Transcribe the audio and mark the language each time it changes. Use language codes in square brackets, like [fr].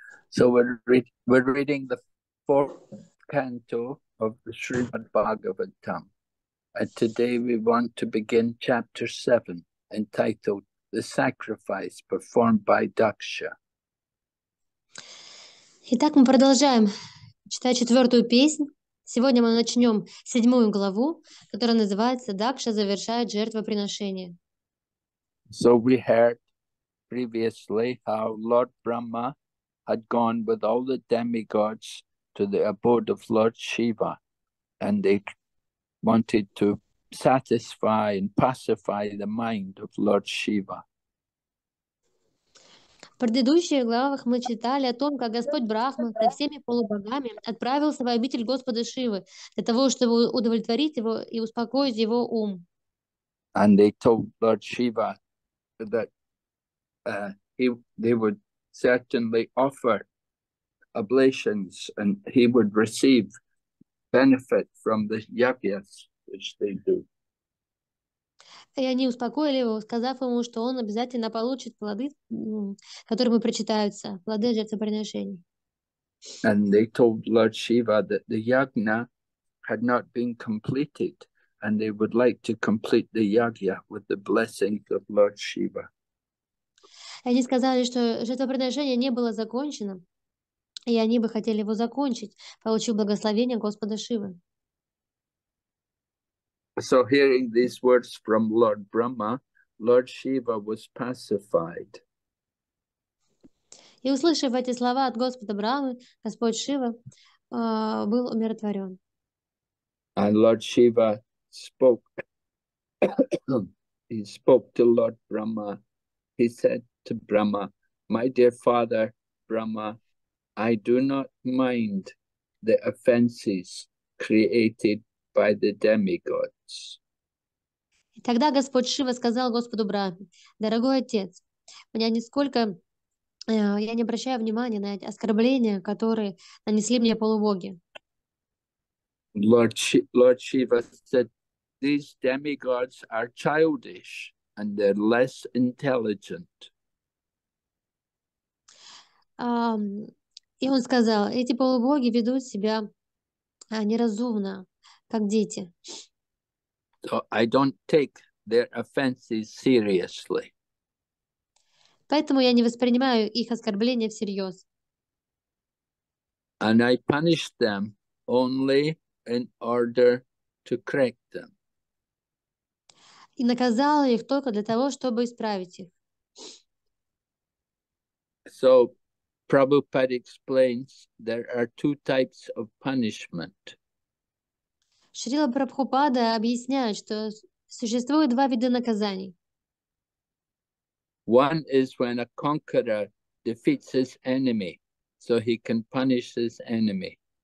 [en] So we're reading the fourth canto of the Srimad Bhagavatam. And today we want to begin chapter 7, entitled The Sacrifice Performed by Daksha. [ru] Итак, мы продолжаем читать четвертую песню. Сегодня мы начнем седьмую главу, которая называется «Дакша завершает жертвоприношение». [en] So we heard previously how Lord Brahma had gone with all the demigods to the abode of Lord Shiva, and they wanted to satisfy and pacify the mind of Lord Shiva. [ru] В предыдущих главах мы читали о том, как Господь Брахма со всеми полубогами отправился в обитель Господа Шивы для того, чтобы удовлетворить его и успокоить его ум. [en] And they told Lord Shiva that they would certainly offer oblations and he would receive benefit from the yajnas, which they do. [ru] И они успокоили его, сказав ему, что он обязательно получит плоды, которыми причитаются, плоды жертвоприношений. [en] And they told Lord Shiva that the yajna had not been completed and they would like to complete the yajna with the blessing of Lord Shiva. [ru] Они сказали, что жертвоприношение не было закончено, и они бы хотели его закончить, получив благословение Господа Шивы. [en] So, hearing these words from Lord Brahma, Lord Shiva was pacified. [ru] И услышав эти слова от Господа Брахмы, Господь Шива, был умиротворен. [en] And Lord Shiva spoke. He spoke to Lord Brahma. He said to Brahma, "My dear father, Brahma, I do not mind the offenses created by the demigods." [ru] И тогда Господь Шива сказал Господу Брахме: «Дорогой отец, меня нисколько я не обращаю внимания на эти оскорбления, которые нанесли мне полубоги». [en] Lord Shiva said, "These demigods are childish and they're less intelligent." [ru] И он сказал, эти полубоги ведут себя неразумно, как дети. [en] So I don't take their offenses seriously. [ru] Поэтому я не воспринимаю их оскорбления всерьез. [en] And I punish them only in order to correct them. [ru] И наказала их только для того, чтобы исправить их. [en] So Prabhupada explains there are two types of punishment. [ru] Шрила Прабхупада объясняет, что существует два вида наказаний. [en] One is when a conqueror defeats his enemy, so he can punish his enemy.